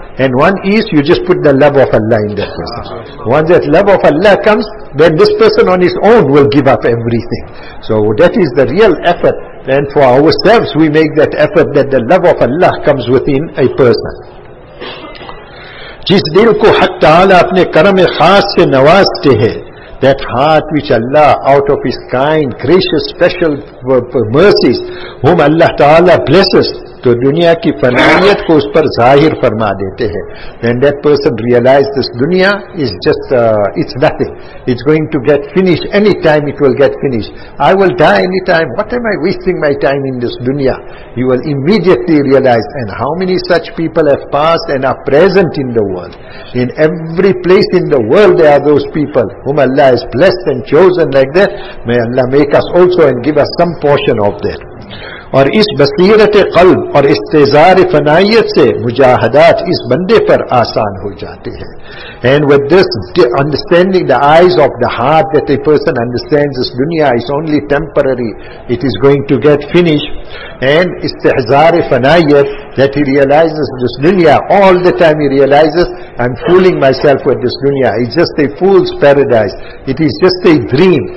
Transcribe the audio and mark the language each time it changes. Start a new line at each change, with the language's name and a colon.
English: And one is, you just put the love of Allah in that person. Once that love of Allah comes, then this person on his own will give up everything. So that is the real effort. And for ourselves, we make that effort that the love of Allah comes within a person.
Urdu: جس دل کو حق تعالی اپنے کرم خاص سے نوازتے ہیں.
English: That heart which Allah, out of His kind, gracious, special mercies, whom Allah Ta'ala blesses,
Urdu: to dunya ki faniyat ko us par zahir farma dete hai.
English: Then that person realizes this dunya is just, it's nothing. It's going to get finished any time it will get finished. I will die any time. What am I wasting my time in this dunya? You will immediately realize. And how many such people have passed and are present in the world? In every place in the world there are those people whom Allah has blessed and chosen like that. May Allah make us also and give us some portion of that.
Urdu: اور اس بصیرت قلب اور استزار فنائیت سے مجاہدات اس بندے پر آسان ہو جاتے ہیں.
English: And with this understanding, the eyes of the heart, that a person understands this dunya is only temporary, it is going to get finished. And استحزار فنائیت, that he realizes this dunya, all the time he realizes, I'm fooling myself with this dunya, it's just a fool's paradise, it is just a dream.